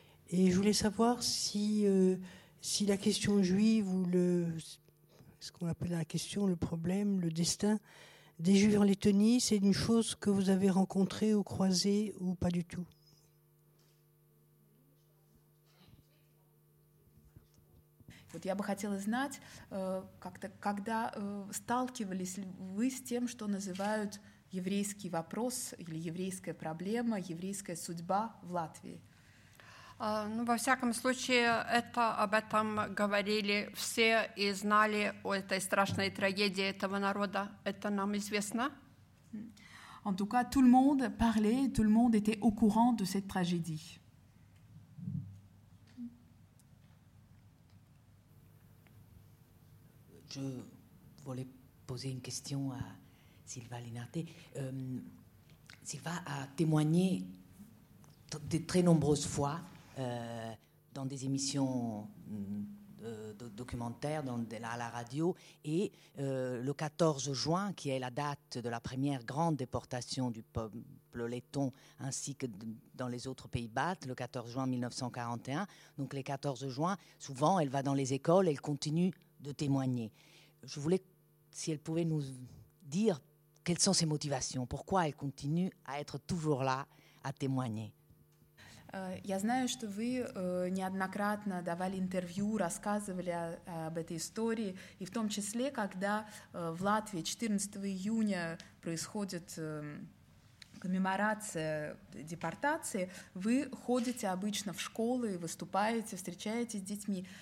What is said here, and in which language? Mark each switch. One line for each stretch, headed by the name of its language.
French: Et je voulais savoir si la question juive ou ce qu'on appelle la question, le problème, le destin des juifs en Lettonie, c'est une chose que vous avez rencontrée ou croisée ou pas du tout.
Russian: Вот я бы хотела знать, как-то, когда сталкивались ли вы с тем, что называют еврейский вопрос или еврейская проблема, еврейская судьба в Латвии? Ну, во всяком случае, об этом говорили все и знали о этой страшной трагедии этого народа. Это нам известно.
French: En tout cas, tout le monde parlait, tout le monde était au courant de cette tragédie. Je voulais poser une question à Sylva Linarté. Sylva a témoigné de très nombreuses fois dans des émissions de documentaires, à la radio. Et le 14 juin, qui est la date de la première grande déportation du peuple letton, ainsi que dans les autres pays baltes, le 14 juin 1941, donc les 14 juin, souvent elle va dans les écoles, elle continue de témoigner. Je voulais, si elle pouvait nous dire quelles sont ses motivations, pourquoi elle continue à être toujours là, à témoigner.
Russian: Я знаю, что вы неоднократно давали интервью, рассказывали об этой истории, и в том числе, когда в Латвии 14 июня происходит коммеморация депортации, вы ходите обычно в школы, выступаете, встречаетесь с детьми.